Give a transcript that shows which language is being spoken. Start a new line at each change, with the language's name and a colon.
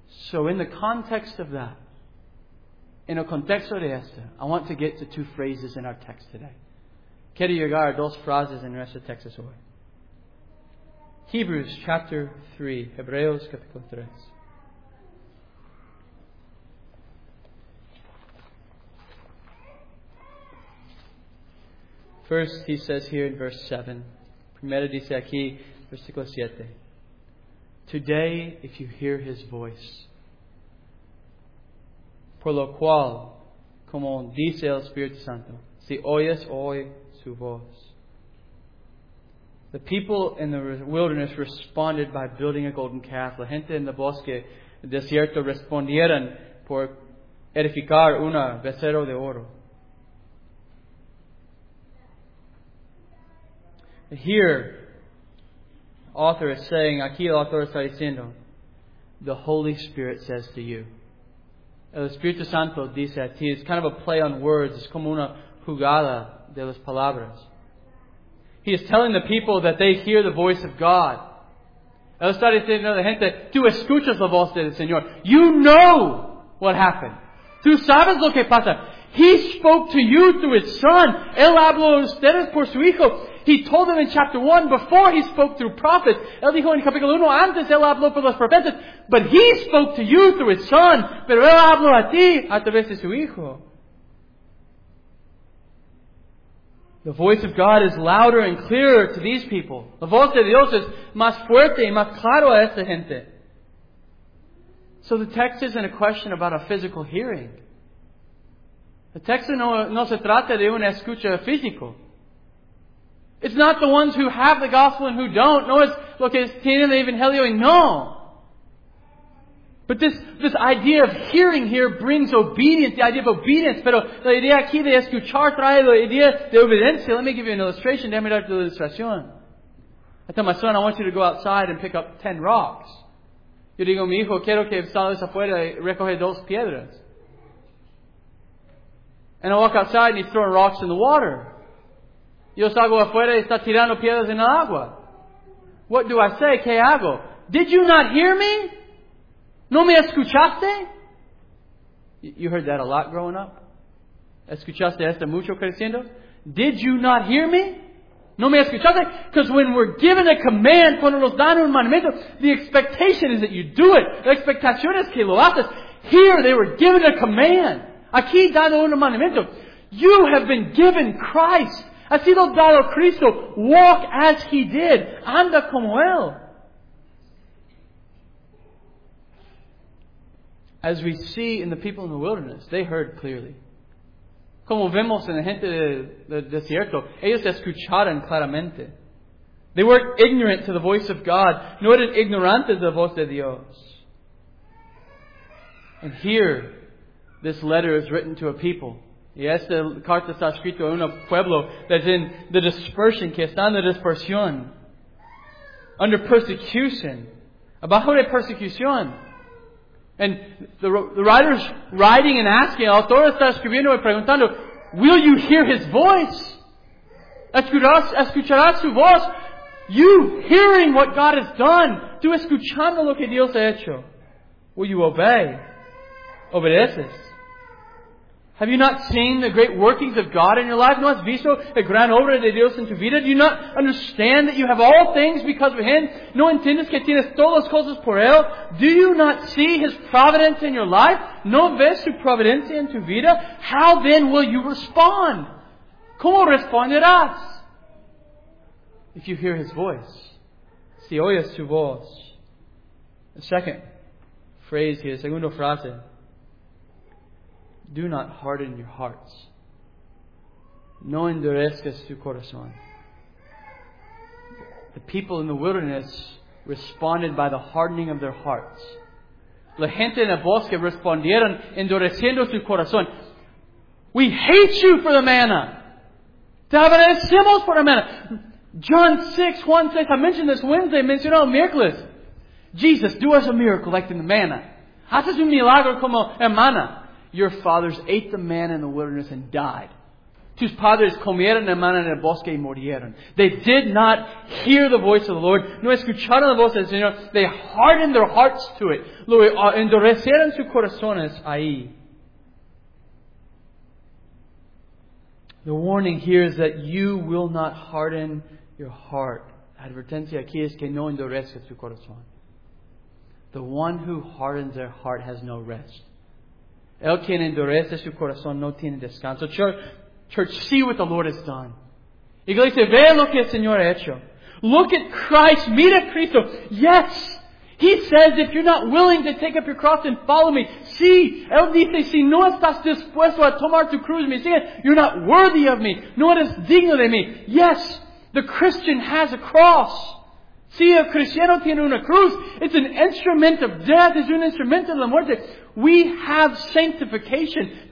English: So in the context of that,
Spanish: in el contexto de esta,
English: I want to get to two phrases in our text today.
Spanish: Quiero llegar a dos frases en nuestro texto hoy.
English: Hebrews chapter 3,
Spanish: Hebreos capítulo 3.
English: First, he says here in verse 7,
Spanish: primero dice aquí, versículo 7,
English: today, if you hear his voice,
Spanish: por lo cual, como dice el Espíritu Santo, si oyes hoy su voz.
English: The people in the wilderness responded by building a golden calf.
Spanish: La gente en el bosque, el desierto, respondieron por edificar una becerro de oro.
English: Here, the author is saying,
Spanish: aquí el autor está diciendo,
English: the Holy Spirit says to you.
Spanish: El Espíritu Santo dice a ti.
English: It's kind of a play on words.
Spanish: It's como una jugada de las palabras.
English: He is telling the people that they hear the voice of God.
Spanish: Él está diciendo a la gente, tú escuchas la voz del Señor.
English: You know what happened.
Spanish: Tú sabes lo que pasa.
English: He spoke to you through His Son.
Spanish: Él habló a ustedes por su Hijo.
English: He told them in chapter 1 before He spoke through prophets.
Spanish: Él dijo en capítulo 1 antes, Él habló por los profetas.
English: But He spoke to you through His Son.
Spanish: Pero Él habló a ti a través de su Hijo.
English: The voice of God is louder and clearer to these people.
Spanish: La voz de Dios es más fuerte y más claro a esta gente.
English: So the text isn't a question about a physical hearing. The text
Spanish: no se trata de una escucha físico.
English: It's not the ones who have the gospel and who don't. No, it's
Spanish: lo que tienen el evangelio y no.
English: But this idea of hearing here brings obedience, the idea of obedience.
Spanish: Pero la idea aquí de escuchar trae la idea de obediencia.
English: Let me give you an illustration.
Spanish: Déjame darte la ilustración.
English: I tell my son, I want you to go outside and pick up 10 rocks.
Spanish: Yo digo, mi hijo, quiero que salgas afuera y recoge dos piedras.
English: And I walk outside and he's throwing rocks in the water.
Spanish: Yo salgo afuera y está tirando piedras en el agua.
English: What do I say?
Spanish: ¿Qué hago?
English: Did you not hear me?
Spanish: ¿No me escuchaste?
English: You heard that a lot growing up.
Spanish: ¿Escuchaste esto mucho creciendo?
English: Did you not hear me?
Spanish: ¿No me escuchaste?
English: Because when we're given a command,
Spanish: cuando nos dan un mandamiento,
English: the expectation is that you do it.
Spanish: La expectación es que lo haces.
English: Here, they were given a command.
Spanish: Aquí, dado un mandamiento.
English: You have been given Christ.
Spanish: Ha sido dado Cristo.
English: Walk as He did.
Spanish: Anda como Él.
English: As we see in the people in the wilderness, they heard clearly.
Spanish: Como vemos en la gente del desierto, ellos escucharon claramente.
English: They weren't ignorant to the voice of God, nor did
Spanish: ignorantes de la voz de Dios.
English: And here, this letter is written to a people.
Spanish: Y esta carta está escrita a un pueblo
English: that's in the dispersion,
Spanish: que está en la dispersión,
English: under persecution,
Spanish: abajo de persecución.
English: And the writer's writing and asking,
Spanish: el autor está escribiendo y preguntando,
English: will you hear His voice?
Spanish: ¿Escucharás su voz?
English: You hearing what God has done,
Spanish: tú escuchando lo que Dios ha hecho,
English: will you obey?
Spanish: ¿Obedeces?
English: Have you not seen the great workings of God in your life?
Spanish: No has visto la gran obra de Dios en tu vida?
English: Do you not understand that you have all things because of Him?
Spanish: No entiendes que tienes todas las cosas por Él?
English: Do you not see His providence in your life?
Spanish: No ves su providencia en tu vida?
English: How then will you respond?
Spanish: ¿Cómo responderás?
English: If you hear His voice.
Spanish: Si oyes su voz.
English: The second phrase here,
Spanish: segundo frase.
English: Do not harden your hearts.
Spanish: No endurezcas tu corazón.
English: The people in the wilderness responded by the hardening of their hearts.
Spanish: La gente en el bosque respondieron endureciendo su corazón.
English: We hate you for the manna.
Spanish: Te aborrecemos por la manna.
English: John 6, 1 says, I mentioned this Wednesday,
Spanish: mencionó miércoles.
English: Jesus, do us a miracle like in the manna.
Spanish: Haces un milagro como el manna.
English: Your fathers ate the manna in the wilderness and died.
Spanish: Tus padres comieron el manna en el bosque y murieron.
English: They did not hear the voice of the Lord.
Spanish: No escucharon la voz del Señor.
English: They hardened their hearts to it.
Spanish: Luego endurecieron sus corazones ahí.
English: The warning here is that you will not harden your heart.
Spanish: Advertencia aquí es que no endurezca su corazón.
English: The one who hardens their heart has no rest.
Spanish: El quien endurece su corazón no tiene descanso.
English: Church, see what the Lord has done.
Spanish: Iglesia, ve lo que el Señor ha hecho.
English: Look at Christ. Meet a Cristo. Yes. He says, if you're not willing to take up your cross and follow me, sí.
Spanish: Él dice, si no estás dispuesto a tomar tu cruz, me sigue.
English: You're not worthy of me.
Spanish: No eres digno de mí.
English: Yes. The Christian has a cross.
Spanish: Sí, el cristiano tiene una cruz.
English: It's an instrument of death.
Spanish: Es un instrumento de la muerte.
English: We have sanctification.